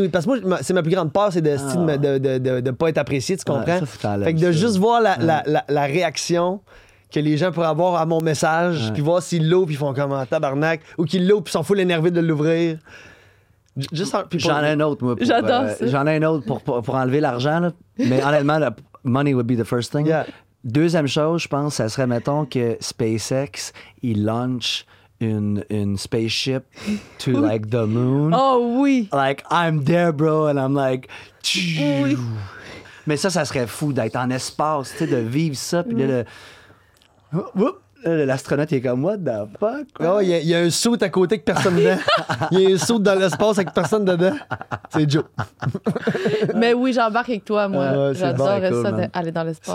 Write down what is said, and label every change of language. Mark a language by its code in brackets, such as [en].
[fr] Ou, parce que moi, c'est ma plus grande peur, c'est de pas être apprécié, tu comprends? Ouais, fait que de juste voir la réaction que les gens pourraient avoir à mon message, puis voir s'ils l'ouvrent, puis ils font comme un tabarnak, ou qu'ils l'ouvrent, puis ils s'en foutent énervés de l'ouvrir. J'en ai un autre pour enlever l'argent, là. Mais honnêtement, le [en] money would be the first thing. Yeah. [fr] Deuxième chose, je pense, ça serait, mettons, que SpaceX, il launch une [en] spaceship to, like, the moon. [fr] Oh oui! [en] Like, I'm there, bro, and I'm like... [fr] Oui. Mais ça serait fou d'être en espace, tu sais, de vivre ça, puis là, l'astronaute, il est comme, [en] what the fuck? [fr] Non, il y a un saut à côté que personne dedans. Il y a un saut dans l'espace avec personne dedans. C'est Joe. Mais oui, j'embarque avec toi, moi. J'adore ça, cool, d'aller dans l'espace.